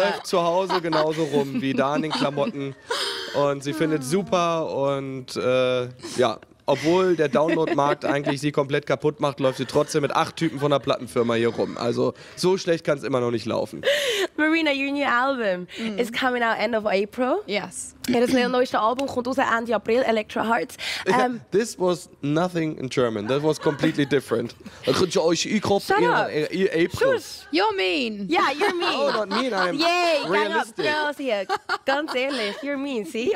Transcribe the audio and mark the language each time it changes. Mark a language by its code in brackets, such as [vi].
[de] Sie läuft zu Hause genauso rum wie da in den Klamotten und sie findet super und ja, obwohl der Downloadmarkt eigentlich sie komplett kaputt macht, läuft sie trotzdem mit 8 Typen von der Plattenfirma hier rum. Also so schlecht kann es immer noch nicht laufen. [en] Marina, your new album is coming out end of April. Yes. [de] Ja, das neueste Album kommt raus Ende April, Electro Hearts. [en] Yeah, this was nothing in German. That was completely different. Shut up. April. You're mean. Yeah, you're mean. Oh, not mean. I'm yay, realistic. Yay, girls here. [de] Ganz ehrlich, [en] you're mean, see?